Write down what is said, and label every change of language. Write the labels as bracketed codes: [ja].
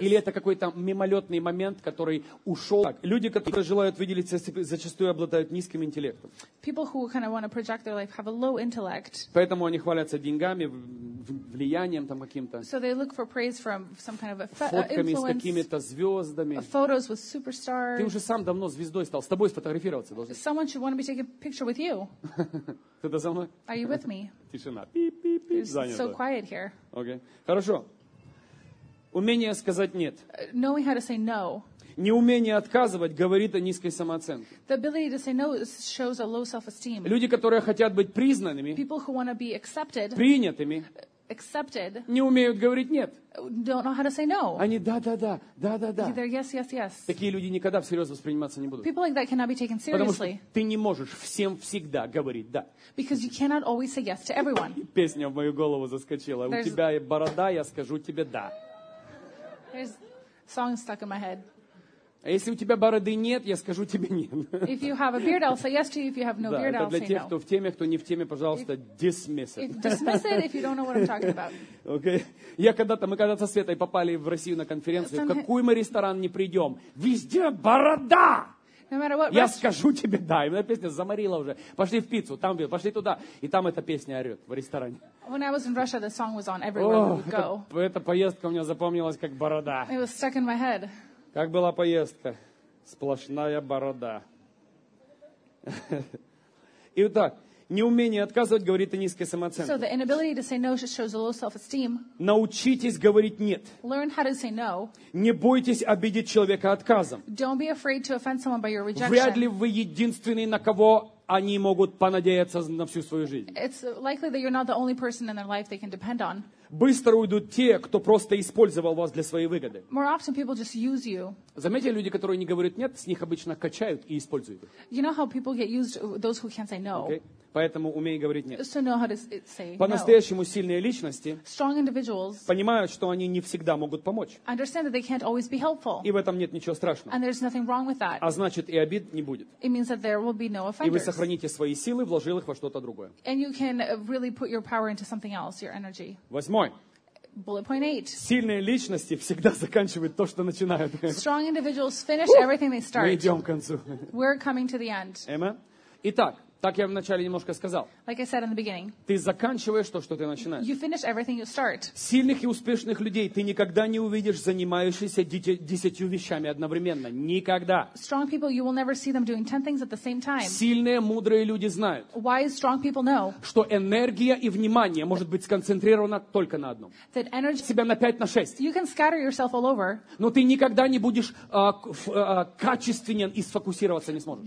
[ru] Или это какой-то мимолетный момент, который ушел. Так, люди, которые желают выделиться, зачастую обладают низким интеллектом. [en] People who kind of want to project their life have a low intellect. [ru] Поэтому они хвалятся деньгами, влиянием там каким-то. [en] So they look for praise from some kind of influence. [ru] Фотками с какими-то звездами. [en] Photos with superstars. [ru] Ты уже сам давно звездой стал. С тобой фотографируют. [en] Someone should want to be taking a picture with you. Are you with me? [ru] Тишина. [en] It's so quiet here. Okay. [ru] Хорошо. Умение сказать нет. [en] Knowing how to say no. [ru] Неумение отказывать говорит о низкой самооценке. [en] The ability to say no shows a low self-esteem. [ru] Люди, которые хотят быть признанными, [en] people who want to be accepted, [ru] принятыми, [en] accepted, [ru] не умеют говорить нет. [en] Don't know how to say no. [ru] Они да-да-да, да-да-да. [en] Either yes, yes, yes. [ru] Такие люди никогда всерьез восприниматься не будут. [en] People like that cannot be taken seriously. [ru] Потому что ты не можешь всем всегда говорить да. [en] Because you cannot always say yes to everyone. [ru] Песня в мою голову заскочила. [en] There's... [ru] У тебя борода, я скажу тебе да. [en] There's song stuck in my head. [ru] А если у тебя бороды нет, я скажу тебе нет. [en] If you have a beard, I'll say yes to you. If you have no beard, I'll say no. [ru] Да, это для тех, кто в теме, кто не в теме, пожалуйста, [en] dismiss it. Dismiss it if you don't know what I'm talking about. Okay. [ru] Мы когда-то со Светой попали в Россию на конференцию. В какой мы ресторан не придем, везде борода! [en] No matter what, [ru] я скажу тебе да. И моя песня заморила уже. Пошли в пиццу, там пошли туда. И там эта песня орет в ресторане. [en] When I was in Russia, the song was on everywhere we would go. [ru] Эта поездка у меня запомнилась как борода. [en] It was stuck in my head. [ru] Как была поездка? Сплошная борода. И вот так. Неумение отказывать говорит о низкой самооценке. [en] So the inability to say no just shows a low self-esteem. [ru] Научитесь говорить нет. [en] Learn how to say no. [ru] Не бойтесь обидеть человека отказом. [en] Don't be afraid to offend someone by your rejection. [ru] Вряд ли вы единственный, на кого они могут понадеяться на всю свою жизнь. [en] It's likely that you're not the only person in their life they can depend on. [ru] Быстро уйдут те, кто просто использовал вас для своей выгоды. [en] More often people just use you. [ru] Заметили, люди, которые не говорят нет, с них обычно качают и используют. [en] You know how people get used, those who can't say no. Okay. [ru] Поэтому умей говорить нет. [en] So know how to say no. [ru] По-настоящему сильные личности [en] strong individuals [ru] понимают, что они не всегда могут помочь. [en] Understand that they can't always be helpful. [ru] И в этом нет ничего страшного. [en] And there's nothing wrong with that. [ru] А значит, и обид не будет. [en] It means that there will be no offenders. [ru] И вы сохраните свои силы, вложив их во что-то другое. [en] And you can really put your power into something else, your energy. [ru] Восьмой. [en] Bullet point eight. [ru] Сильные личности всегда заканчивают то, что начинают. [en] Strong individuals finish everything they start. [ru] Мы идем к концу. [en] We're coming to the end. Amen. [ru] Итак, так я вначале немножко сказал. [en] Like I said in the beginning, [ru] ты заканчиваешь то, что ты начинаешь. [en] You finish everything you start. [ru] Сильных и успешных людей ты никогда не увидишь занимающихся 10 вещами одновременно. Никогда. [en] Strong people, you will never see them doing 10 things at the same time. [ru] Сильные, мудрые люди знают, [en] wise, strong people know, [ru] что энергия и внимание может быть сконцентрировано только на одном. [en] That energy, [ru] себя на 5, на 6. [en] You can scatter yourself all over, [ru] но ты никогда не будешь качественен и сфокусироваться не сможешь.